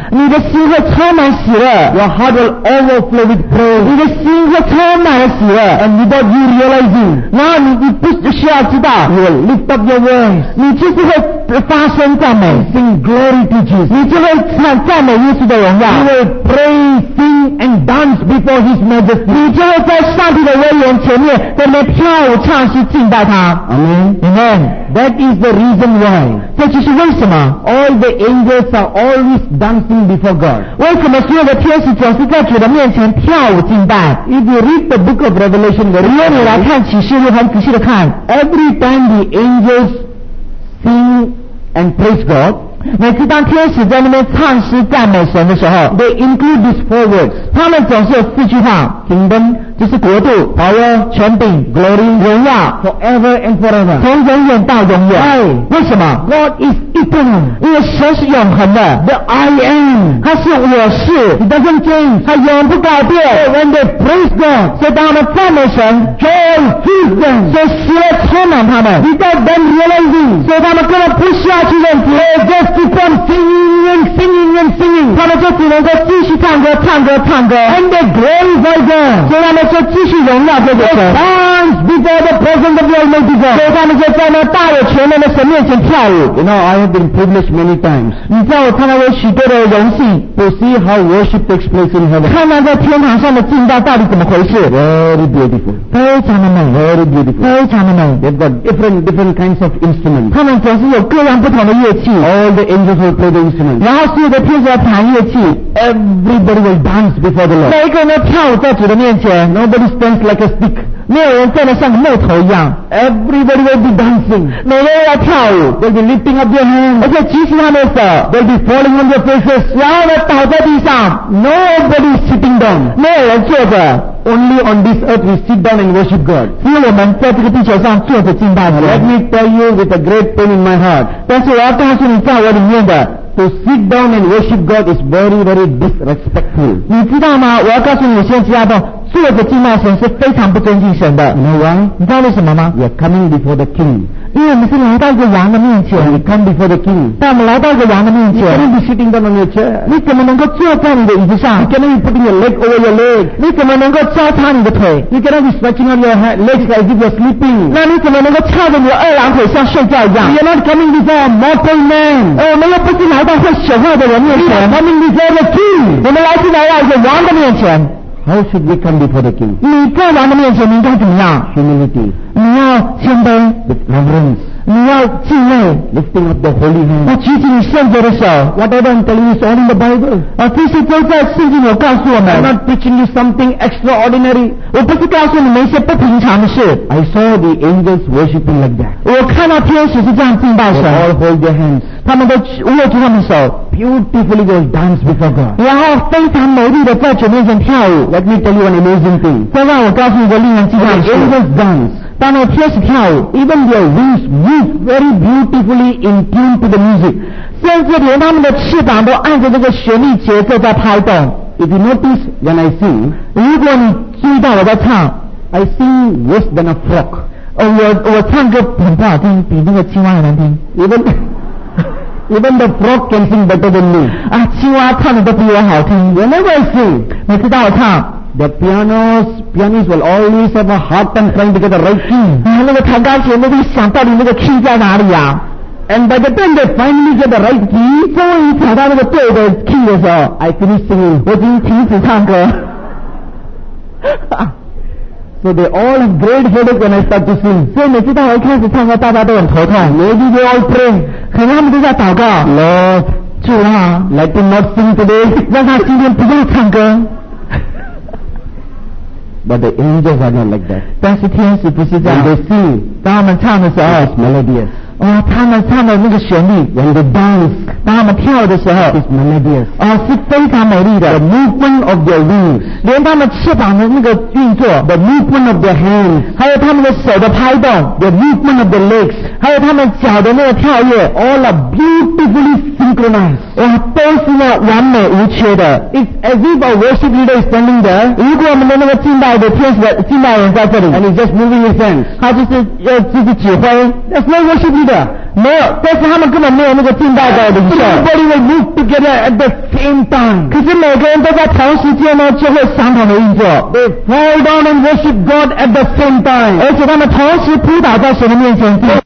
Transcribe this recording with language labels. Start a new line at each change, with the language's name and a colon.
Chinese: 你的心会充满喜乐
English: Your heart will overflow with praise
Chinese: 你的心会充满喜乐
English: And without you realizing
Chinese: 然后 你不需要知道
English: You will lift up your voice
Chinese: 你就是会发声赞美
English: Sing glory to Jesus
Chinese: 你就会唱赞美耶稣的荣耀
English: You will pray, sing and dance before his majesty
Chinese: 你就会在上帝的威严前面在那跳舞唱诗敬拜他
English: Amen Amen That is the reason why
Chinese: 这就是为什么
English: All the angels are always dancing before God
Chinese: 为什么所有的天使总是在主的面前跳舞敬拜
English: If you read the book of Revelation
Chinese: 如果你来看启示录很仔细的看
English: Every time the angels sing and praise God
Chinese: 每次当天使在那边唱诗赞美神的时候
English: They include these four words
Chinese: 他们总是有四句话
English: Kingdom
Chinese: 就是国度
English: power
Chinese: 权柄
English: glory
Chinese: 荣耀
English: forever and forever
Chinese: 从永远到永远
English: why
Chinese: 为什么
English: God is eternal
Chinese: 因为神是永恒的
English: the I am
Chinese: 他是我是
English: he doesn't change
Chinese: 他永不改变
English: so when they praise God
Chinese: 所以当他们赞美神
English: joy fills them
Chinese: 所以喜乐充满他们
English: without them realizing
Chinese: 所以他们根本不需要去认识
English: they just keep on singing and singing and singing
Chinese: 他们就只能够继续唱歌唱歌唱歌
English: and they glorify them
Chinese: 所以他们就继续荣耀这个神
English: dance before the presence of the Almighty God
Chinese: 所以他们就在那大有权威的神面前跳舞
English: You know I have been privileged many times
Chinese: 你知道我看到有许多的荣幸
English: To see how worship takes place in heaven
Chinese: 看到在天堂上的敬拜到底怎么回事
English: Very beautiful
Chinese: 非常的美
English: Very beautiful
Chinese: 非常的美
English: They've got different kinds of instruments
Chinese: 他们总是有各样不同的乐器
English: All the angels will play the instruments
Chinese: 然后所有的天使要弹乐器
English: Everybody will dance before the Lord
Chinese: 每一个人要跳舞在主的面前
English: Nobody stands like a stick.
Chinese: 没有人站得像木头一样。
English: Everybody will be dancing.
Chinese: 每个人要跳舞。
English: They'll be lifting up their hands.
Chinese: 而且举起他们的手。
English: They'll be falling on their faces.
Chinese: 然后呢，倒在地上。
English: Nobody sitting down.
Chinese: 没有人坐着。
English: Only on this earth we sit down and worship God.
Chinese: 因为我们在这个地球上坐着敬拜。
English: Let me tell you with a great pain in my heart.
Chinese: 但是我要告诉你，在我里面的。
English: To sit down and worship God is very, very disrespectful.
Chinese: 你知道吗？我要告诉你，现在要动。坐着敬拜神是非常不尊敬神的
English: you know why?
Chinese: 你知道为什么吗
English: We are coming before the king
Chinese: 因为我们是来到一个王的面前
English: We come before the king
Chinese: 但我们来到一个王的面前
English: You cannot be sitting down on your chair
Chinese: 你怎么能够坐在你的椅子上
English: You cannot be putting your leg over your leg
Chinese: 你怎么能够交叉你的腿
English: You cannot be stretching out your legs as if you are sleeping
Chinese: 那你怎么能够翘着你的二郎腿像睡觉一样
English: You are not coming before a mortal man
Chinese: 我们又不是来到会显化的人面前
English: We are coming before the king
Chinese: 我们来是来到一个王的面前
English: How should we come before the king?
Chinese: 你在王的面前，你应该怎么样
English: ？Humility.
Chinese: 你要谦卑。
English: With reverence.
Chinese: 你要敬畏。
English: Lifting up the holy hand.
Chinese: 我举起你圣洁的手。
English: Whatever I'm telling you is all in the Bible.
Chinese: 啊，这些都在圣经里告诉我们。
English: I'm not teaching you something extraordinary.
Chinese: 我不是告诉你们一些不平常的事。
English: I saw the angels worshiping like that.
Chinese: 我看到天使是这样敬拜神。
English: They all hold their hands.
Chinese: 他们都握住他们手。
English: Beautifully they will dance before God.
Chinese: 然后非常美丽的在主面前跳舞。
English: Let me tell you an amazing thing.
Chinese: 再让我告诉你一个令人惊讶的事。
English: The angels dance.
Chinese: 当我开始跳舞
English: even their wings move very beautifully in tune to the music，
Chinese: 甚至连他们的翅膀都按着这个旋律节奏在拍动。
English: If you notice when I sing，
Chinese: 如果你注意到我在唱
English: ，I sing worse than a frog。
Chinese: 我唱歌很不好听，比那个青蛙还难听。
English: Even the frog can sing better than me。
Chinese: 啊，青蛙唱的都比我好听。
English: Whenever I sing，
Chinese: 每次当我唱
English: ，the pianist will always have a hard time trying to get the right key。
Chinese: 啊，那个弹钢琴的会想到底那个 key 在哪里啊？
English: And by the time they finally get the right key，
Chinese: 终于找到那个对的 key 的时候
English: ，I finish singing，
Chinese: 我已经停止唱歌。
English: So they all have great headache when I start to sing。
Chinese: 所以每次当我一开始唱歌，大家都很头痛。
English: Maybe they all pray，
Chinese: 可能他们都在祷告。
English: Lord，
Chinese: 主啊
English: ，Let them not sing today，
Chinese: 让他今天不要唱歌。
English: But the angels are not like that。
Chinese: 但是天使不是这样。
English: When they sing，
Chinese: 当他们唱的时候
English: ，It's melodious。
Chinese: 哦，他们唱的那个旋律
English: ，When they dance，
Chinese: 当他们跳的时候
English: ，It's melodious，
Chinese: 哦，是非常美丽的。
English: The movement of their wings，
Chinese: 连他们翅膀的那个运作
English: ，The movement of their hands，
Chinese: 还有他们的手的拍动
English: ，The movement of their legs，
Chinese: 还有他们脚的那个跳跃
English: ，All are beautifully synchronized，
Chinese: 哇，都是那完美无缺的。
English: It's as if our worship leader is standing there，
Chinese: 如果我们的那个敬拜的天使的敬拜人在这里
English: ，And he's just moving his hands，
Chinese: 他就是要自己指挥
English: ，That's no worship leader。
Chinese: 没有，但是他们根本没有那个敬拜的领袖。
English: Everybody will move together at the same time。
Chinese: 可是每个人都在同时间呢，就会相同的运作。
English: They fall down and worship God at the same time。
Chinese: 而且他们同时扑倒在神的面前。